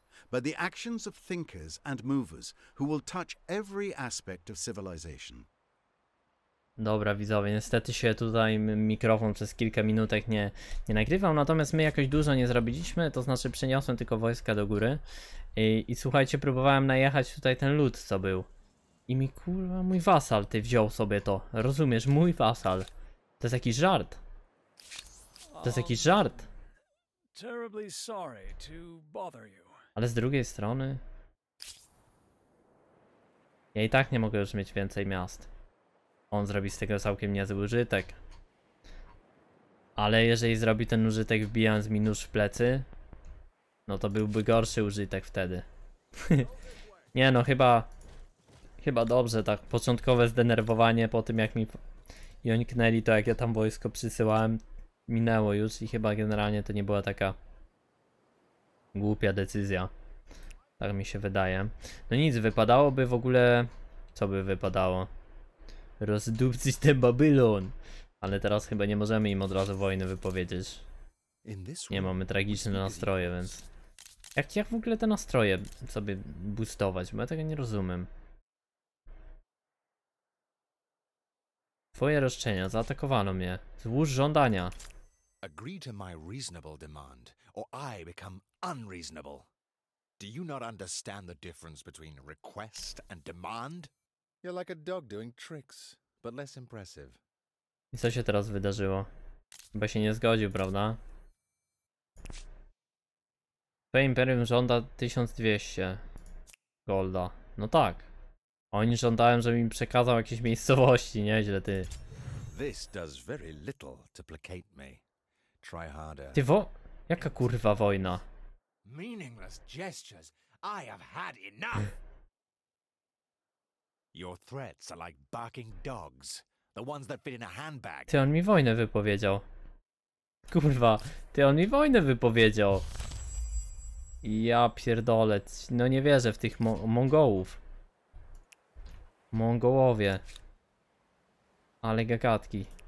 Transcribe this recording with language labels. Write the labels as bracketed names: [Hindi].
[English] But the actions of thinkers and movers who will touch every aspect of civilization. [Polish] Dobra, widzowie, niestety się tutaj mikrofon przez kilka minutek nie nagrywał, natomiast my jakoś dużo nie zrobiliśmy, to znaczy przeniosłem tylko wojska do góry. I słuchajcie, próbowałem najechać tutaj ten lud, co był. I mi kurwa, mój wasal ty wziął sobie to. Rozumiesz, mój wasal. To jest jakiś żart. To jest jakiś żart. [English] Terribly sorry to bother you. [Polish] Ale z drugiej strony... Ja i tak nie mogę już mieć więcej miast. On zrobi z tego całkiem niezły użytek. Ale jeżeli zrobi ten użytek wbijając mi nóż w plecy, no to byłby gorszy użytek wtedy. Nie no, chyba dobrze, tak. Początkowe zdenerwowanie po tym, jak mi jąknęli, to jak ja tam wojsko przysyłałem, minęło już i chyba generalnie to nie była taka głupia decyzja. Tak mi się wydaje. No nic, wypadałoby w ogóle... Co by wypadało? Rozdupcić ten Babylon! Ale teraz chyba nie możemy im od razu wojny wypowiedzieć. Nie, mamy tragiczne nastroje, więc... Jak w ogóle te nastroje sobie boostować? Bo ja tego nie rozumiem. Twoje roszczenia, zaatakowano mnie. Złóż żądania. [English] Agree to my reasonable demand, or I become unreasonable. Do you not understand the difference between request and demand? You're like a dog doing tricks, but less impressive. [Polish] I co się teraz wydarzyło? Chyba się nie zgodził, prawda? Twoje imperium żąda 1200 golda. No tak. Oni żądają, żebym im przekazał jakieś miejscowości, nieźle ty. [English] This does very little to placate me. Try harder. [Polish] Ty jaka kurwa wojna? [English] Meaningless gestures. I have had enough. Your threats are like barking dogs, the ones that fit in a handbag. [Polish] Ty on mi wojnę wypowiedział. Kurwa, ty on mi wojnę wypowiedział. Ja pierdolę, no nie wierzę w tych Mongołów. Mongołowie. Ale gagatki.